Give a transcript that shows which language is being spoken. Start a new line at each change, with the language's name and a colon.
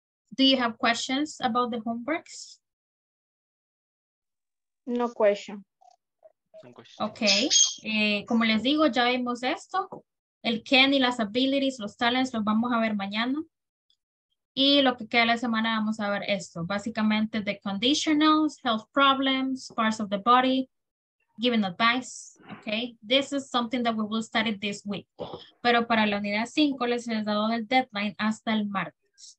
English: Do you have questions about the homeworks? No question. Okay.
Spanish: Como les digo, ya vimos esto. El can y las
English: abilities,
Spanish: los
English: talents,
Spanish: los vamos a ver mañana. Y lo que queda la semana vamos a ver esto. Básicamente,
English: the conditionals, health problems, parts of the body, giving advice. Okay. This is something that we will study this week.
Spanish: Pero para la unidad 5 les he dado el deadline hasta el martes.